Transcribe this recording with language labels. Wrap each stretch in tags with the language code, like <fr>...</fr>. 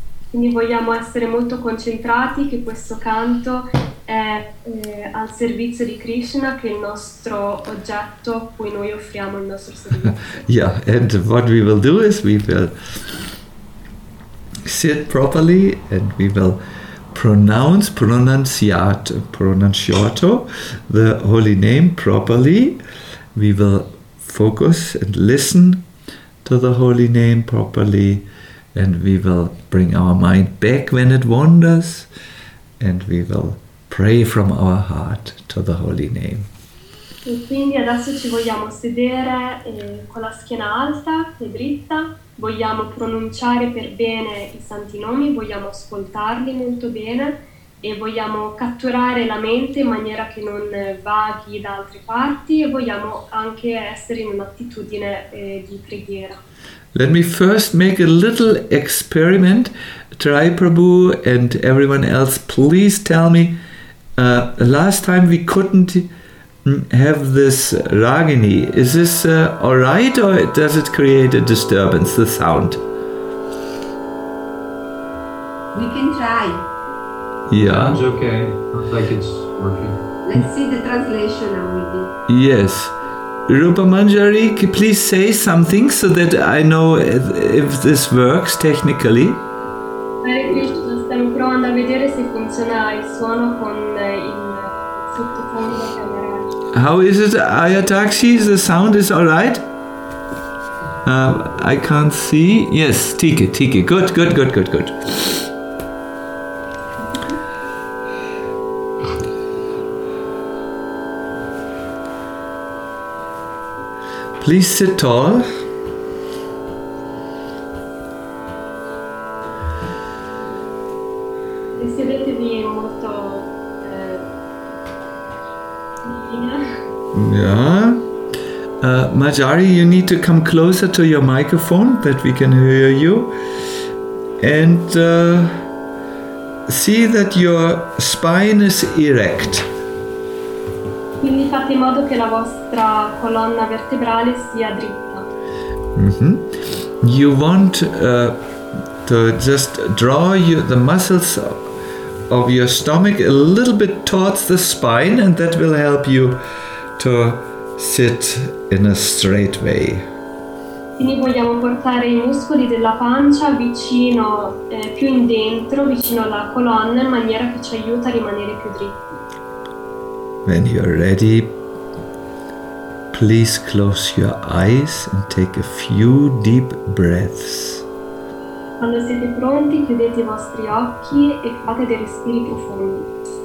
<it>Quindi vogliamo essere molto concentrati che questo canto è al servizio di Krishna, che è il nostro oggetto a cui noi offriamo il nostro servizio.</it> <en>Yeah, and what we will do is we will sit properly and we will pronunciato the holy name properly. We will focus and listen to the holy name properly. And we will bring our mind back when it wanders, and we will pray from our heart to the holy name.</en> <it>E quindi adesso ci vogliamo sedere con la schiena alta e dritta, vogliamo pronunciare per bene i santi nomi, vogliamo ascoltarli molto bene e vogliamo catturare la mente in maniera che non vaghi da altre parti, e vogliamo anche essere in un'attitudine di preghiera.</it> <en>Let me first make a little experiment. Tri Prabhu and everyone else, please tell me. Last time we couldn't have this ragini. Is this all right, or does it create a disturbance, the sound? We can try. Yeah. It's okay. Looks like it's working. Let's see the translation now, maybe. Yes. Rupa Manjari, please say something so that I know if this works technically.</en> <it>Hare Krishna, stiamo provando a vedere se funziona il suono con il sottofondo.</it> <en>How is it, Ayataxi? The sound is all right? I can't see. Yes, Tiki. Good. Please sit tall.</en> <it>Sedetevi molto vicino.</it> <en>Yeah. Majari, you need to come closer to your microphone that we can hear you. And see that your spine is erect.</en> <it>Quindi fate in modo che la vostra colonna vertebrale sia dritta. Mm-hmm.</it> <en>You want to just draw the muscles of your stomach a little bit towards the spine, and that will help you to sit in a straight way.</en> <it>Quindi vogliamo portare i muscoli della pancia vicino, più in dentro, vicino alla colonna, in maniera che ci aiuta a rimanere più dritti.</it> <en>When you're ready, please close your eyes and take a few deep breaths.</en> <it>Quando Quando siete pronti, chiudete i vostri occhi e fate dei respiri profondi.</it>